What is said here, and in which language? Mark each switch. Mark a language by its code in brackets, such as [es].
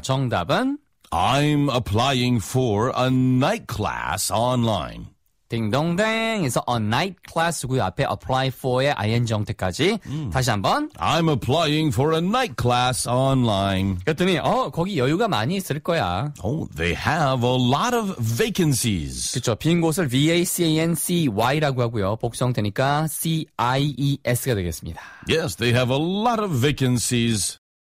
[ko] 정답은? [en] I'm applying for a night class online. [ko] 딩동댕, [en] it's a night class [ko] 고요. 앞에 apply for의 ing 형태까지. 다시 한번. [en] I'm applying for a night class online. [ko] 그랬더니, 거기 여유가 많이 있을 거야. [en] Oh, they have a lot of vacancies. [ko] 그쵸, 빈 곳을 V-A-C-A-N-C-Y라고 하고요. 복수형태니까 C-I-E-S가 되겠습니다. [en] Yes, they have a lot of vacancies.